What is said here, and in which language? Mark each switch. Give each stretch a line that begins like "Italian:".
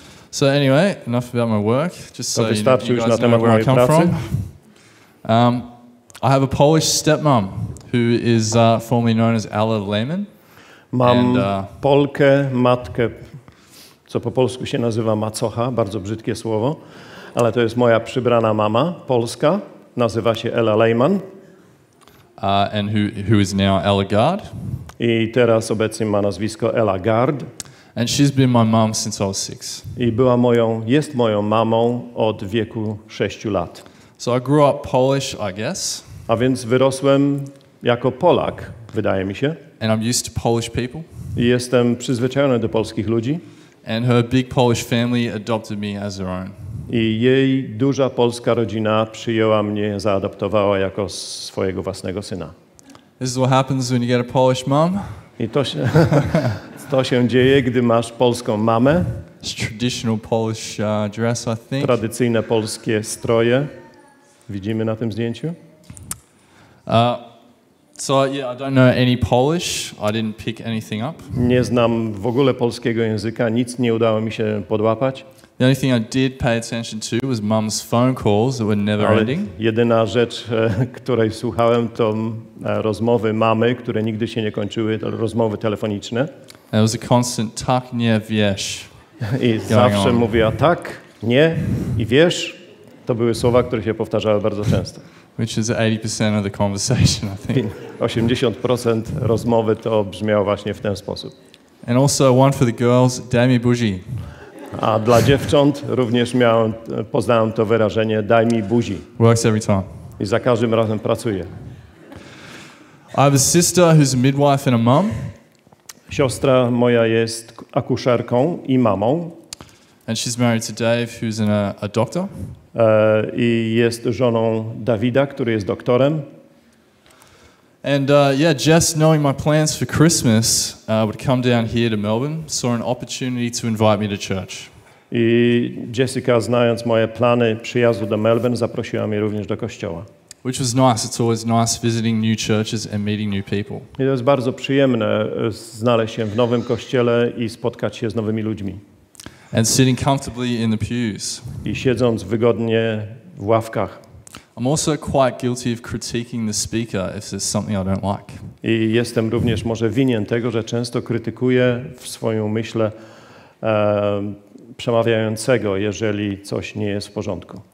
English: So anyway, enough about my work. Just so you guys know where I come from. I have a Polish stepmom who is formerly known as Ala Lehman.
Polish: Mam Polkę, matkę, co po polsku się nazywa macocha, bardzo brzydkie słowo, ale to jest moja przybrana mama, Polska. Nazywa się Ella Lehman.
English: And who is now Ella Gard.
Polish: I teraz obecnie ma nazwisko Ella Gard.
English: And she's been my mom since I was 6.
Polish: I jest moją mamą od wieku 6 lat.
English: So I grew up Polish, I guess.
Polish: A więc wyrosłem jako Polak, wydaje mi się.
English: And I'm used to Polish people.
Polish: I jestem przyzwyczajony do polskich ludzi.
English: And her big Polish family adopted me as their own.
Polish: I jej duża polska rodzina przyjęła mnie, zaadoptowała jako swojego własnego syna.
English: This is what happens when you get a Polish mom.
Polish: I to się dzieje, gdy masz polską mamę.
English: It's traditional Polish dress, I think.
Polish: Tradycyjne polskie stroje. Widzimy na tym zdjęciu.
English: So, I don't know any Polish. I didn't pick anything up.
Polish: Nie znam w ogóle polskiego języka. Nic nie udało mi się podłapać.
English: The only thing I did pay attention to was mum's phone calls that were never ending.
Polish: Jedyna rzecz, której słuchałem, to rozmowy mamy, które nigdy się nie kończyły, to rozmowy telefoniczne.
English: And it was a constant
Polish: tak, nie, wiesz. I zawsze mówiła tak, nie i wiesz. To były słowa, które się powtarzały bardzo często.
English: Which is 80% of the conversation, I think.
Polish: 80% rozmowy to brzmiało właśnie w ten sposób.
English: And also one for the girls,
Polish: Dami Buzi. A dla dziewcząt również poznałem to wyrażenie daj mi buzi.
English: Works every time.
Polish: I za każdym razem pracuje.
English: I have a sister who's a midwife and a mom.
Polish: Siostra moja jest akuszerką i mamą.
English: And she's married to Dave, who's a doctor.
Polish: I jest żoną Dawida, który jest doktorem.
English: And just knowing my plans for Christmas, would come down here to Melbourne, saw an opportunity to invite me to church.
Polish: I Jessica, znając moje plany przyjazdu do Melbourne, zaprosiła mnie również do kościoła.
English: Which was nice. It's always nice visiting new churches and meeting new people.
Polish: I to jest bardzo przyjemne znaleźć się w nowym kościele i spotkać się z nowymi ludźmi.
English: And sitting comfortably in the pews.
Polish: I siedząc wygodnie w ławkach.
English: I'm also quite guilty of critiquing the speaker if there's something I don't like.
Polish: I jestem również może winien tego, że często krytykuję w swoją myślę przemawiającego, jeżeli coś nie jest w porządku.